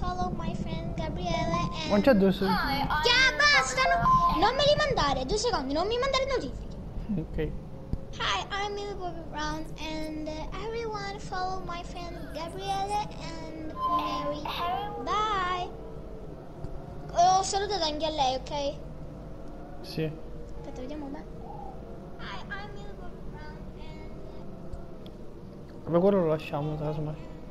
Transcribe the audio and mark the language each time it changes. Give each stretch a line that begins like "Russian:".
Italian: Hi, già basta, non me li mandare, due secondi, non mi mandare notifiche. Ok.
English: Hi, I'm Millie Bobby Brown and everyone follow my friend Gabriele and Mary. Bye.
Italian: Ho salutato anche a lei, ok? Sì. Aspetta, vediamo un po'.
English: Hi, I'm Millie Bobby Brown and...
Italian: Vabbè, quello lo lasciamo, trasma.